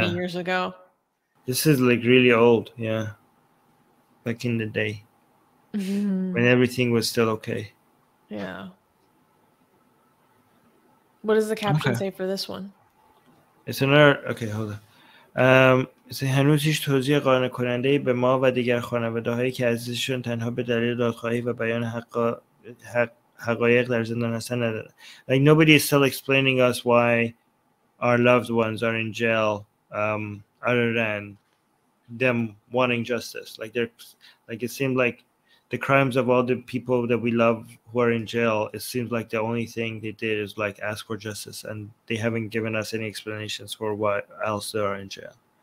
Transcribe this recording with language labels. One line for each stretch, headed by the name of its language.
English: many years ago. This is like really old, yeah. Back in the day. Mm-hmm. When everything was still okay. Yeah. What does the caption say for this one? It's another okay, hold on.
Persian: از هنوز هیچ توضیح قانع کننده‌ای به ما و دیگر خانواده‌هایی که عزیزشون تنها به دلیل دادخواهی و بیان حقایق در زندان هستند نداره.
English: Like nobody is still explaining us why our loved ones are in jail, other than them wanting justice. Like it seemed like the crimes of all the people that we love who are in jail. It seems like the only thing they did is like ask for justice, and they haven't given us any explanations for what else they are in jail.